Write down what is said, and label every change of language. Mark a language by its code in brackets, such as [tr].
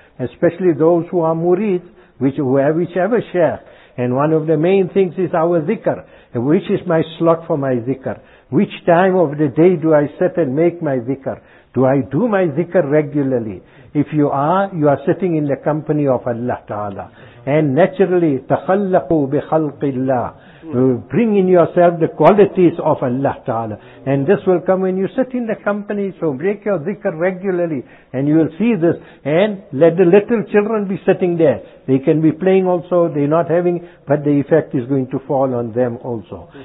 [en] Especially those who are murids, whichever share. And one of the main things is our zikr. Which is my slot for my zikr? Which time of the day do I sit and make my zikr? Do I do my zikr regularly? If you are sitting in the company of Allah Ta'ala. And naturally, [ar] تَخَلَّقُوا بِخَلْقِ اللَّهِ. [en] Bring in yourself the qualities of Allah Ta'ala. And this will come when you sit in the company, so break your zikr regularly. And you will see this. And let the little children be sitting there. They can be playing also, they're not having, but the effect is going to fall on them also.